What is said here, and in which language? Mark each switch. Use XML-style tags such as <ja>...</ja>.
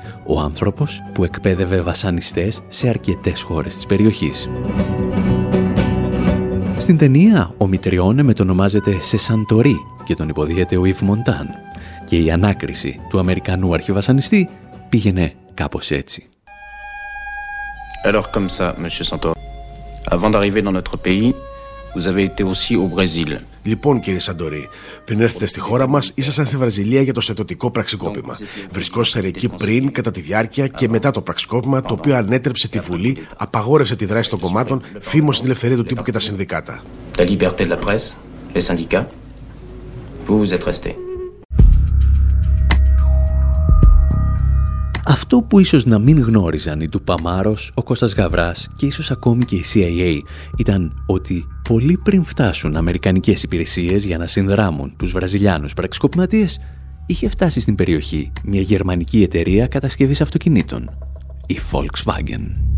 <el>Ο άνθρωπος που εκπαίδευε βασανιστές σε αρκετές χώρες της περιοχής. Στην ταινία, ο Μητριώνε μετονομάζεται σε Σαντορί και τον υποδίεται ο Yves Montand. Και η ανάκριση του Αμερικανού αρχιβασανιστή πήγαινε κάπως έτσι.</el> <fr>Alors comme ça, monsieur Santor. Avant d'arriver dans notre pays, Vous avez été aussi au Brésil.</fr> <el>Λοιπόν, κύριε Σαντορί, πριν έρθετε στη χώρα μας, ήσασταν στη Βραζιλία για το στρατιωτικό πραξικόπημα. Βρισκόσασταν εκεί πριν, κατά τη διάρκεια και μετά το πραξικόπημα, το οποίο ανέτρεψε τη Βουλή, απαγόρευσε τη δράση των κομμάτων, φίμωσε την ελευθερία του τύπου και τα συνδικάτα.</el> <fr>La liberté de la presse, les syndicats, vous êtes restés.</fr> <el>Αυτό που ίσως να μην γνώριζαν οι Τουπαμάρος, ο Κώστας Γαβράς και ίσως ακόμη και η CIA ήταν ότι πολύ πριν φτάσουν αμερικανικές υπηρεσίες για να συνδράμουν τους Βραζιλιάνους πραξικοπηματίες, είχε φτάσει στην περιοχή μια γερμανική εταιρεία κατασκευής αυτοκινήτων, η Volkswagen.</el>